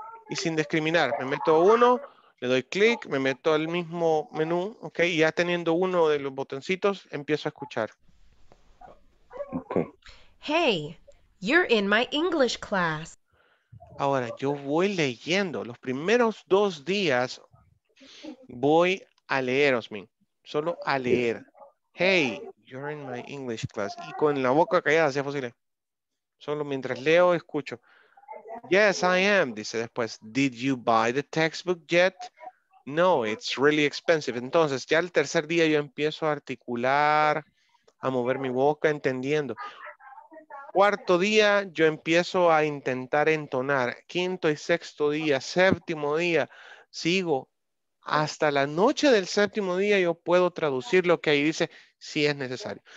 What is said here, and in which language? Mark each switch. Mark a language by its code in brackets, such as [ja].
[es] Y sin discriminar, me meto uno, le doy clic, me meto al mismo menú. Ok, y ya teniendo uno de los botoncitos, empiezo a escuchar. Ok. [en] Hey, you're in my English class. [es] Ahora, yo voy leyendo. Los primeros dos días voy a leer, Osmin. Solo a leer. [en] Hey, you're in my English class. [es] Y con la boca callada, si es posible. Solo mientras leo, escucho. [en] Yes, I am, [es] dice después. [en] Did you buy the textbook yet? No, it's really expensive. [es] Entonces, ya el tercer día yo empiezo a articular, a mover mi boca, entendiendo. Cuarto día, yo empiezo a intentar entonar. Quinto y sexto día, séptimo día, sigo. Hasta la noche del séptimo día yo puedo traducir lo que ahí dice, si es necesario.